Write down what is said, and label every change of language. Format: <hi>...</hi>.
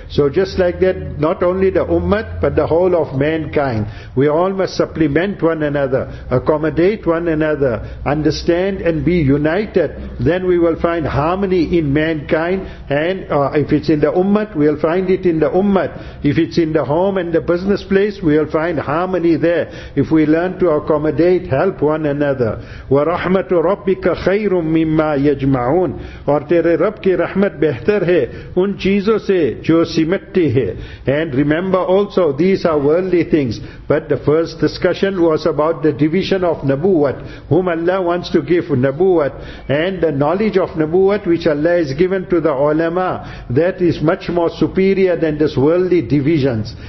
<en>So just like that, not only the ummah but the whole of mankind, we all must supplement one another, accommodate one another, understand and be united. Then we will find harmony in mankind, and if it's in the ummah, we'll find it in the ummah. If it's in the home and the business place, we'll find harmony there if we learn to accommodate, help one another.</en> <ar>وَرَحْمَةُ رَبِّكَ خَيْرٌ مِّمَّا يَجْمَعُونَ</ar> <ur>اور تیرے رب کی رحمت بہتر ہے ان چیزوں سے جو سمٹتی ہے.</ur> <en>And remember also, these are worldly things, but the first discussion was about the division of nabuwat, whom Allah wants to give nabuwat, and the knowledge of nabuwat which Allah has given to the ulama, that is much more superior than this worldly divisions.</en>